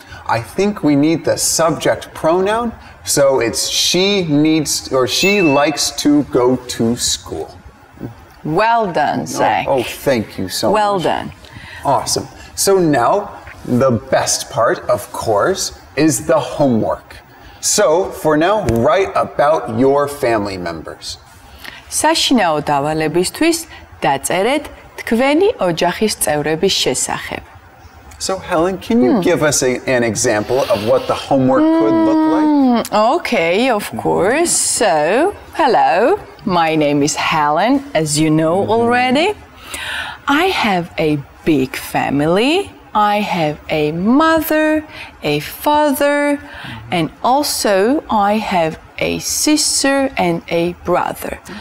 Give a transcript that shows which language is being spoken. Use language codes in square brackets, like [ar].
[en] I think we need the subject pronoun, so it's she needs, or she likes to go to school. Well done, Zach. Oh, thank you so much. Well done. Awesome. So now, the best part, of course, is the homework. So, for now, write about your family members. [ka] საშინაო დავალებისთვის დაწერეთ თქვენი ოჯახის წევრების შესახებ. [en] So, Helen, can you give us an example of what the homework could look like? Okay, of course. So, hello. My name is Helen, as you know already. I have a big family. I have a mother, a father, and also I have a sister and a brother.